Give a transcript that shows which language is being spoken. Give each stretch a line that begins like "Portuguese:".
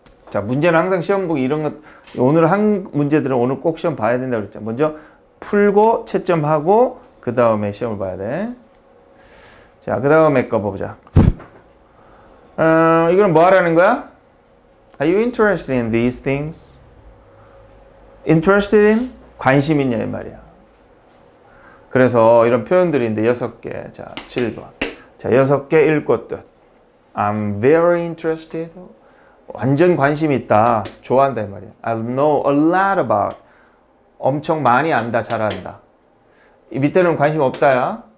Korean: 자, 문제는 항상 시험 보기 이런 것. 오늘 한 문제들은 오늘 꼭 시험 봐야 된다고 그랬죠. 먼저 풀고 채점하고 그 다음에 시험을 봐야 돼. 자, 그 다음에 거 보자. 이건 뭐 하라는 거야?
English: Are you interested in these things?
Korean: Interested in? 관심 있냐 이 말이야. 그래서 이런 표현들인데 여섯 개. 자, 7번. 자, 여섯 개 읽고 뜻.
English: I'm very interested.
Korean: 완전 관심 있다. 좋아한다 이 말이야.
English: I know a lot about.
Korean: 엄청 많이 안다. 잘 안다. 이 밑에는 관심 없다야.